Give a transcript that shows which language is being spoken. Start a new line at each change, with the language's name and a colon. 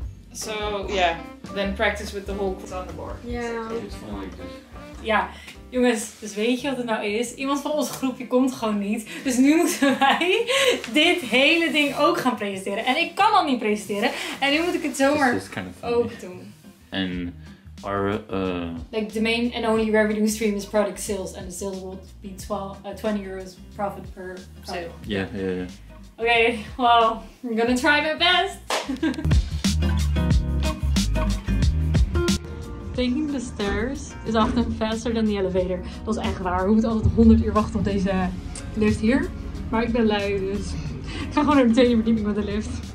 English: So, yeah, then practice with the whole on the board. Yeah.
Dutch: Ja, jongens, dus weet je wat het nou is? Iemand van ons groepje komt gewoon niet. Dus nu moeten wij dit hele ding ook gaan presenteren. En ik kan al niet presenteren. En nu moet ik het zomaar
English: kind of
Dutch: ook doen.
English: En our... Like, the main and only revenue stream is product sales. And the sales will be 20 euros profit per sale. Yeah. Oké, well, I'm gonna try my best. Taking the stairs is often faster than the elevator.
Dutch: Dat is echt waar. We moeten altijd 100 uur wachten op deze lift hier. Maar ik ben lui, dus ik ga gewoon naar de tweede verdieping met de lift.